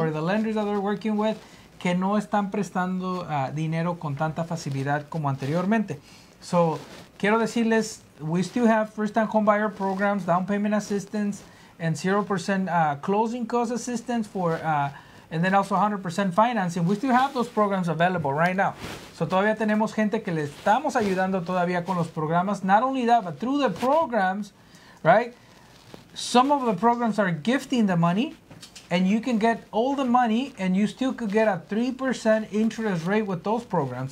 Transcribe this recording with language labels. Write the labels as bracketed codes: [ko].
[en] or the lenders that they're working with, [es] que no están prestando dinero con tanta facilidad como anteriormente. [en] So, [es] quiero decirles, [en] we still have first-time home buyer programs, down payment assistance, and 0% closing cost assistance and then also 100% financing. We still have those programs available right now. [es] So todavía tenemos gente que le estamos ayudando todavía con los programas. [en] Not only that, but through the programs, right? Some of the programs are gifting the money, and you can get all the money, and you still could get a 3% interest rate with those programs.